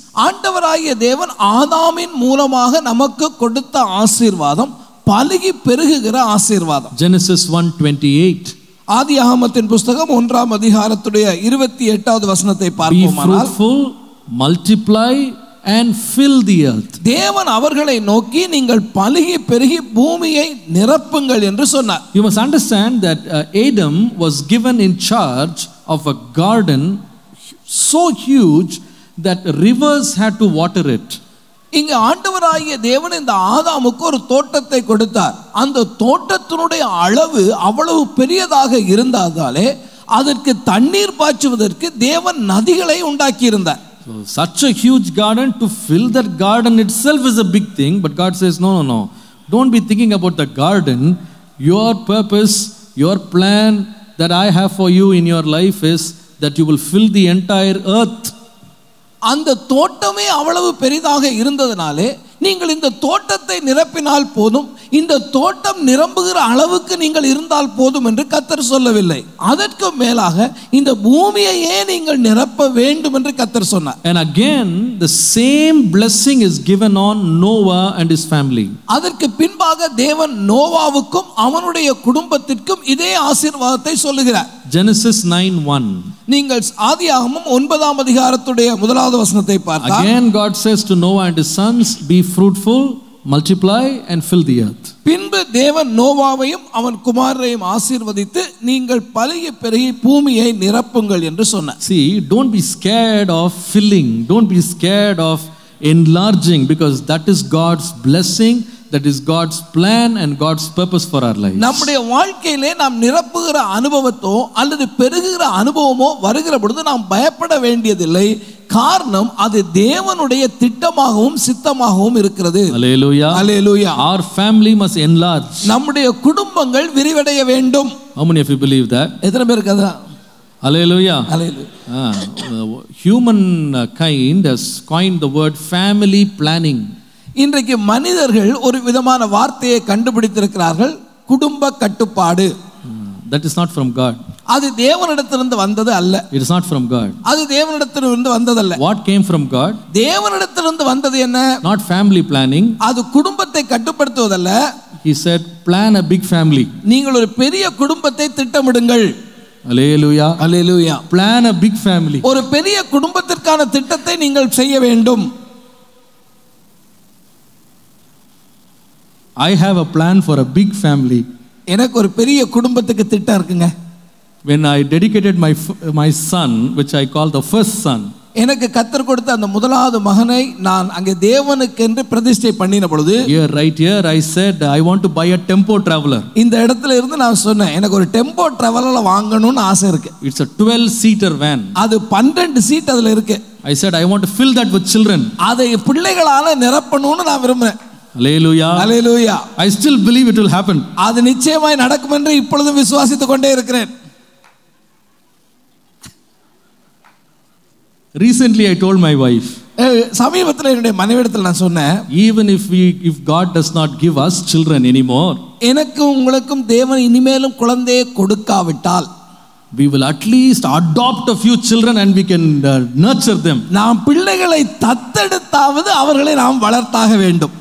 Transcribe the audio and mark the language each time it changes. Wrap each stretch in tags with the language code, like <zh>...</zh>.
<ta>ஆண்டவராகிய தேவன் ஆதாமின் மூலமாக நமக்கு கொடுத்த ஆசீர்வாதம் பலகி பெருகுகிற ஆசீர்வாதம்.</ta> <en>Genesis 1:28.</en> <ta>ஆதியாகமத்தின் புத்தகம் 1 அதிகாரத்துடைய 28 வசனத்தை பார்ப்போமானால்,</ta> <en>Be fruitful, multiply and fill the earth.</en> <ta>தேவன் அவர்களை நோக்கி நீங்கள் பலகி பெருகி பூமியை நிரப்புங்கள் என்று சொன்னார்.</ta> <en>You must understand that Adam was given in charge of a garden so huge that rivers had to water it.</en> <ta>இங்க ஆண்டவராகிய தேவன் இந்த ஆதாமுக்கு ஒரு தோட்டத்தை கொடுத்தார். அந்த தோட்டத்தினுடைய அளவு அவ்வளவு பெரியதாக இருந்ததாலே அதற்கு தண்ணீர் பாய்ச்சுவதற்கு தேவன் நதிகளை உண்டாக்கி இருந்தார்.</ta> <en>Such a huge garden, to fill that garden itself is a big thing, but God says no, don't be thinking about the garden. Your purpose, your plan that I have for you in your life is that you will fill the entire earth.</en> <ta>அந்த தோட்டமே அவ்வளவு பெரிதாக இருந்ததனாலே நீங்கள் இந்த தோட்டத்தை நிரப்பினால் போதும், இந்த தோட்டம் நிரம்புகிற அளவுக்கு நீங்கள் இருந்தால் போதும் என்று கர்த்தர் சொல்லவில்லை. அதற்கு மேலாக இந்த பூமியையே நீங்கள் நிரப்ப வேண்டும் என்று கர்த்தர் சொன்னார்.</ta> <en>And again the same blessing is given on Noah and his family.</en> <ta>அதற்கு பின்பாக தேவன் நோவாவுக்கும் அவனுடைய குடும்பத்திற்கும் இதே ஆசீர்வாதத்தை சொல்லுகிறார்.</ta> <en>Genesis 9:1.</en> <ta>நீங்கள் ஆதியாகமம் 9 அதிகாரத்துடைய 1 வசனத்தை பார்த்தால்,</ta> <en>Again God says to Noah and his sons, be fruitful, multiply and fill the earth.</en> <ta>பின்பு தேவன் நோவாவையும் அவன் குமாரரையும் ஆசீர்வதித்து நீங்கள் பலகி பெருகி பூமியை நிரப்புங்கள் என்று சொன்னார்.</ta> <en>See, don't be scared of filling, don't be scared of enlarging, because that is God's blessing, that is God's plan and God's purpose for our lives.</en> <ta>நம்முடைய வாழ்க்கையிலே நாம் நிரப்புகிற அனுபவத்தோ அல்லது பெருகுகிற அனுபவமோ வருகிற பொழுது நாம் பயப்பட வேண்டியதில்லை. காரணம், அது தேவனுடைய திட்டமாகவும் சித்தமாகவும் இருக்கிறது. Hallelujah. Hallelujah.</ta> <en>Our family must enlarge.</en> <ta>நம்முடைய குடும்பங்கள் விரிவடைய வேண்டும்.</ta> <en>How many of you believe that?</en> <ta>எத்தனை பேர் கதா? Hallelujah. Hallelujah.</ta> <en>Human kind has coined the word family planning.</en> <ta>இன்றைக்கு மனிதர்கள் ஒரு விதமான வார்த்தையை கண்டுபிடித்திருக்கிறார்கள், குடும்ப கட்டுப்பாடு.</ta> <en>That is not from God.</en> <ta>அது தேவனிடத்திலிருந்து வந்தது அல்ல.</ta> <en>It is not from God.</en> <ta>அது தேவனிடத்திலிருந்து வந்தது அல்ல.</ta> <en>What came from God?</en> <ta>தேவனிடத்திலிருந்து வந்தது என்ன?</ta> <en>Not family planning.</en> <ta>அது குடும்பத்தை கட்டுப்படுத்துவதல்ல.</ta> <en>He said, plan a big family.</en> <ta>நீங்கள் ஒரு பெரிய குடும்பத்தை திட்டமிடுங்கள். Hallelujah. Hallelujah.</ta> <en>Plan a big family.</en> <ta>ஒரு பெரிய குடும்பத்திற்கான திட்டத்தை நீங்கள் செய்ய வேண்டும்.</ta> <en>I have a plan for a big family.</en> <ta>எனக்கு ஒரு பெரிய குடும்பத்துக்கு திட்டம் இருக்குங்க.</ta> <en>When I dedicated my son, which I call the first son.</en> <ta>எனக்கு கர்த்தர் கொடுத்த அந்த முதலாவது மகனை நான் அங்கே தேவனுக்கு என்று பிரதிஷ்டை பண்ணின பொழுது,</ta> <en>Here right here I said I want to buy a tempo traveler.</en> <ta>இந்த இடத்துல இருந்து நான் சொன்னேன், எனக்கு ஒரு டெம்போ டிராவலர் வாங்கணும்னு ஆசை இருக்கு.</ta> <en>It's a 12 seater van.</en> <ta>அது 12 சீட் அதுல இருக்கு.</ta> <en>I said I want to fill that with children.</en> <ta>அதை பிள்ளைகளால நிரப்பணும்னு நான் விரும்புறேன். Hallelujah. Hallelujah.</ta> <en>I still believe it will happen.</en> <ta>அது நிச்சயமாய் நடக்கும் என்று இப்பொழுதும் விசுவாசித்துக் கொண்டே இருக்கிறேன்.</ta> <en>Recently, I told my wife.</en> <ta>சமீபத்தில் என்னுடைய மனைவிடத்தில் நான் சொன்னேன்.</ta> <en>Even if God does not give us children anymore.</en> <ta>எனக்கு உங்களுக்கும் தேவன் இனிமேலும் குழந்தையை கொடுக்காவிட்டால்</ta> <en>we will at least adopt a few children and we can nurture them.</en> <ta>நாம் பிள்ளைகளை தத்தெடுத்தாவது அவர்களை நாம் வளர்த்தாக வேண்டும்.</ta>